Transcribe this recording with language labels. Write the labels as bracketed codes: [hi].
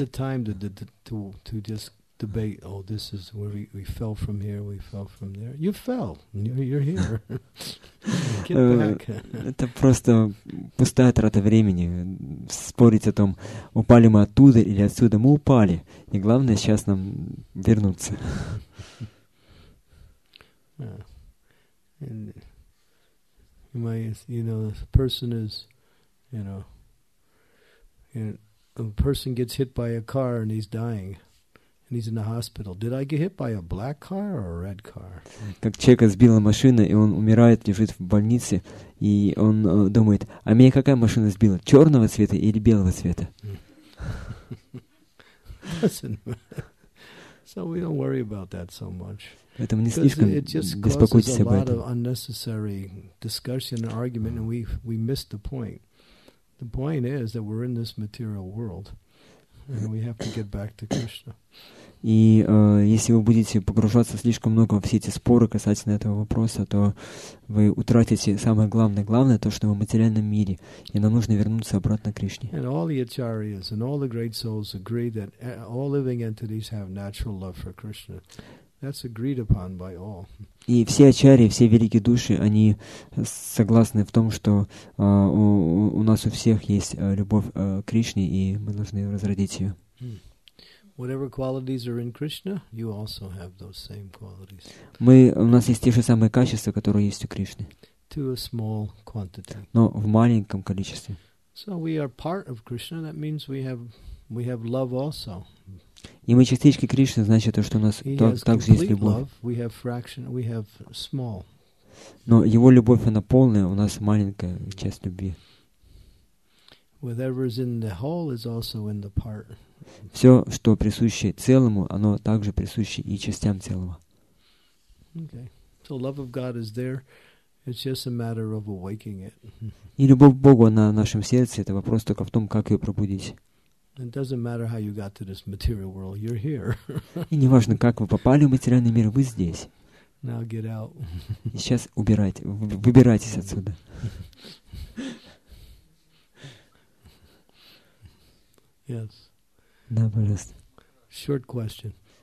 [en] It's a waste of time to just debate. Oh, this is where we fell from here. We fell from there. You fell. You're here. Get back. [ru] Это просто пустая трата времени. Спорить о том, упали мы оттуда или отсюда. Мы упали. И главное сейчас нам вернуться. [en] And a person gets hit by a car and he's dying, and he's in the hospital. Did I get hit by a black car or a red car? [ru] Как человека сбила машина и он умирает, лежит в больнице, и он думает: а меня какая машина сбила? Черного цвета или белого цвета? [en] Listen, so we don't worry about that so much. [ru] Поэтому не слишком беспокойтесь об этом. [en] Unnecessary discussion and argument, and we missed the point. The point is that we're in this material world, and we have to get back to Krishna. [ru] И если вы будете погружаться слишком много во все эти споры касательно этого вопроса, то вы утратите самое главное. Главное то, что мы в материальном мире, и нам нужно вернуться обратно к Кришне. [en] And all the acharyas and all the great souls agree that all living entities have natural love for Krishna. That's agreed upon by all. [ru] И все ачарьи, все великие души, они согласны в том, что у нас у всех есть любовь к Кришне, и мы должны разродить ее. [en] Whatever qualities are in Krishna, you also have those same qualities. [ru] Мы у нас есть те же самые качества, которые есть у Кришны. [en] To a small quantity. [ru] Но в маленьком количестве. [en] So we are part of Krishna. That means we have love also. [ru] И мы частички Кришны, значит, то, что у нас также есть любовь. [en] Love. We have fraction. We have small. [ru] Но его любовь она полная, у нас маленькая часть любви. [en] Whatever is in the whole is also in the part. [ru] Все, что присуще целому, оно также присуще и частям целого. [en] Okay. So love of God is there. It's just a matter of awakening it. [ru] И любовь к Богу на нашем сердце — это вопрос только в том, как ее пробудить. [en] It doesn't matter how you got to this material world. You're here. [ru] И не важно, как вы попали в материальный мир, вы здесь. [en] Now get out. [ru] И сейчас выбирайтесь отсюда. [en] Yes. [ru] Да, пожалуйста. [en] Short question.